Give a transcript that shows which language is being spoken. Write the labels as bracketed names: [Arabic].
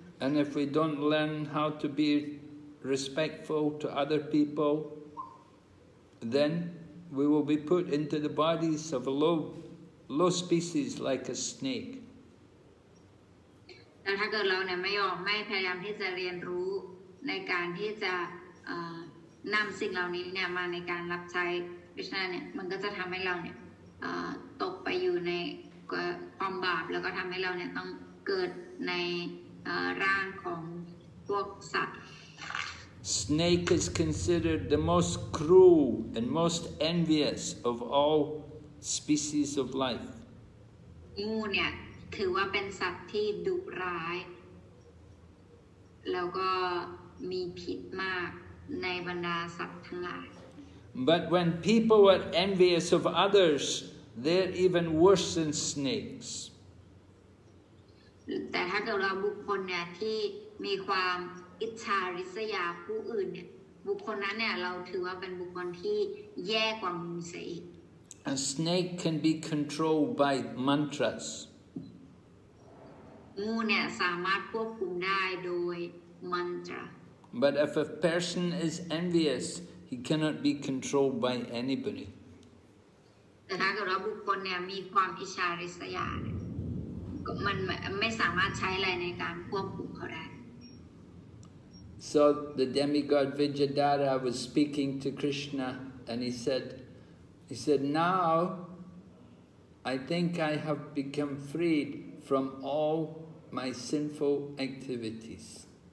[English] And if we don't learn how to be respectful to other people. Then we will be put into the bodies of a low species like a snake. [Thai] แต่ถ้าเกิดเราเนี่ยไม่พยายามที่จะเรียนรู้ในการที่จะนำสิ่งเหล่านี้เนี่ยมาในการรับใช้พิชนาเนี่ยมันก็จะทำให้เราเนี่ยตกไปอยู่ในความบาปแล้วก็ทำให้เราเนี่ยต้องเกิดในร่างของพวกสัตว์ [English] Snake is considered the most cruel and most envious of all species of life. [Thai] งูเนี่ยถือว่าเป็นสัตว์ที่ดุร้ายแล้วก็มีพิษมากในบรรดาสัตว์ทั้งหลาย [English] But when people are envious of others, they're even worse than snakes. [Thai] แต่ถ้าเกิดเราบุคคลเนี่ยที่มีความอิจฉาริษยาผู้อื่นเนี่ยบุคคลนั้นเนี่ยเราถือว่าเป็นบุคคลที่แย่กว่างูเสียอีก [English] A snake can be controlled by mantras. [Thai] งูเนี่ยสามารถควบคุมได้โดยมันตรา [English] But if a person is envious, he cannot be controlled by anybody. [Thai] แต่ถ้าเกิดว่าบุคคลเนี่ยมีความอิจฉาริษยาเนี่ยมันไม่สามารถใช้อะไรในการควบคุมเขาได้ [English] So the demigod Vijayadara was speaking to Krishna and he said, now I think I have become freed from all my sinful activities.